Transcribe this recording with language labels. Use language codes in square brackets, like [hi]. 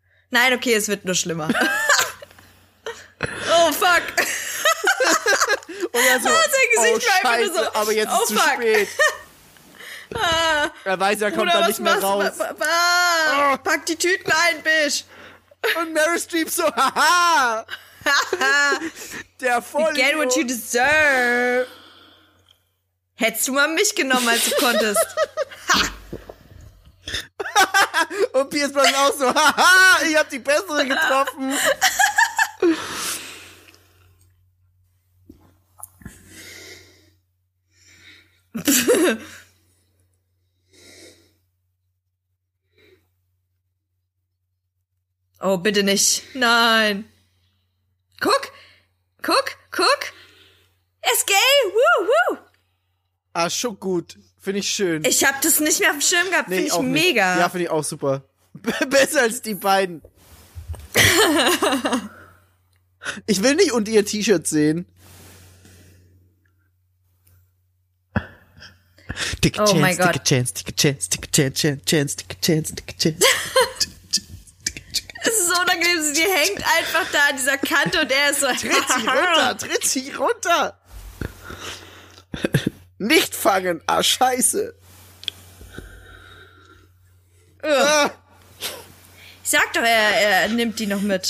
[de] Nein, okay, es wird nur schlimmer. Oh, fuck. Und er so, sein Gesicht oh scheiße, so, aber jetzt oh, ist zu fuck. Spät. Er weiß, er kommt Bruder, da nicht mehr raus. Pack die Tüten ein, Bisch. Und Meryl Streep so, haha. Der Vollidiot. [en] You get what you deserve. [de] Hättest du mal mich genommen, als du konntest. Und Pierce Brosnan auch so, haha, ich hab die Bessere getroffen. Oh, bitte nicht. Nein. Guck. Guck. Guck. Es geht. Woo, woo. Ah, schon gut. Finde ich schön. Ich hab das nicht mehr auf dem Schirm gehabt. Nee, finde ich mega. Nicht. Ja, finde ich auch super. Besser als die beiden. Ich will nicht unter ihr T-Shirt sehen. [en] Take a chance, [de] oh mein Gott. [en] Take a chance, take a chance, take a chance, chance, chance, take a chance, take a chance. [de] Es ist so unangenehm, sie hängt einfach da an dieser Kante und er ist so... Tritt sie runter, tritt sie runter. Nicht fangen, ah scheiße. Ah. Ich sag doch, er nimmt die noch mit.